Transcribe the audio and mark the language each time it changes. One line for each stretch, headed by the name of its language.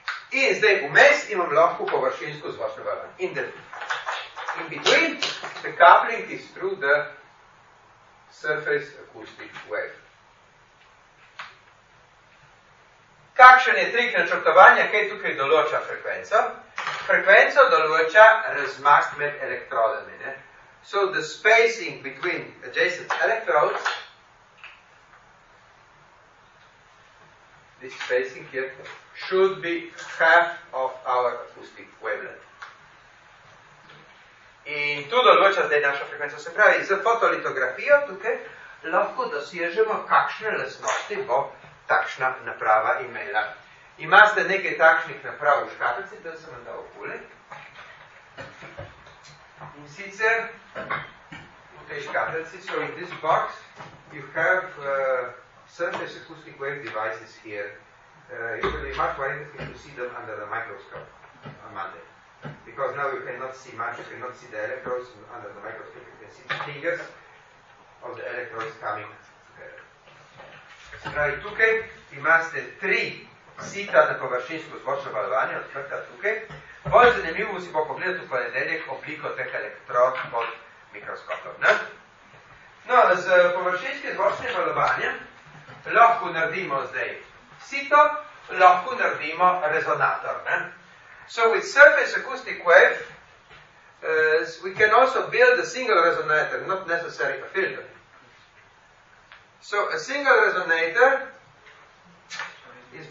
Slovenian: In zdaj vmes imam lahko površinsko zvočno valovanje.
English: In in between, the coupling is through the surface acoustic wave.
Slovenian: Kakšen je trik načrtovanja, kaj tukaj določa frekvenco? Frekvenco določa razmak med elektrodami. Ne?
English: So the spacing between adjacent electrodes, this spacing here, should be half of our acoustic wavelength.
Slovenian: In tu določa zdaj naša frekvenca. Se pravi, z fotolitografijo tukaj lahko dosežemo, kakšne lastnosti bo takšna naprava imela. Imate nekaj takšnih naprav v škatlici, da sem vam dal okuli. In sicer v tej škatlici,
English: so in this box, you have surface acoustic wave devices here. Usually much more interesting to see them under the microscope on Monday. Because now you cannot see much, you cannot see the electrodes under the microscope, you can see the fingers of the electrodes coming together. Right,
Slovenian: tukaj imate tri sita na površinsko zvočno valovanje, odprta tukaj. Bolj zanimivo si bo pogledati v ponedeljek obliko teh elektrod pod mikroskopom. Ne? No, z površinskim zvočnim valovanjem lahko naredimo zdaj sito, lahko naredimo rezonator. Ne?
English: So with surface acoustic wave, we can also build a single resonator, not necessarily a filter. So a single resonator is